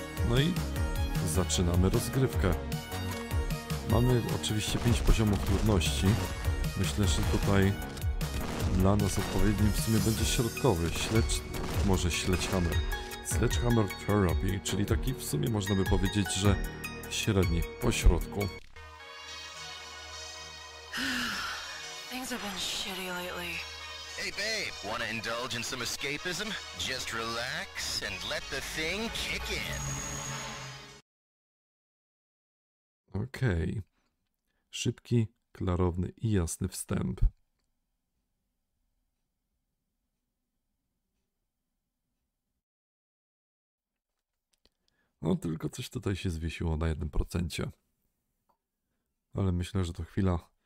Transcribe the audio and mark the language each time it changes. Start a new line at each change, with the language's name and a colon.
Polish: No i zaczynamy rozgrywkę. Mamy oczywiście 5 poziomów trudności. Myślę, że tutaj dla nas odpowiednim w sumie będzie środkowy. Sledgehammer Therapy, czyli taki w sumie można by powiedzieć, że średni, po środku.
English: Things have been shitty lately. Hey babe, wanna indulge in some escapism? Just relax and let the thing kick in.
Polish: Okej. Szybki, klarowny i jasny wstęp. No tylko coś tutaj się zwiesiło na 1%. Ale myślę, że to chwila.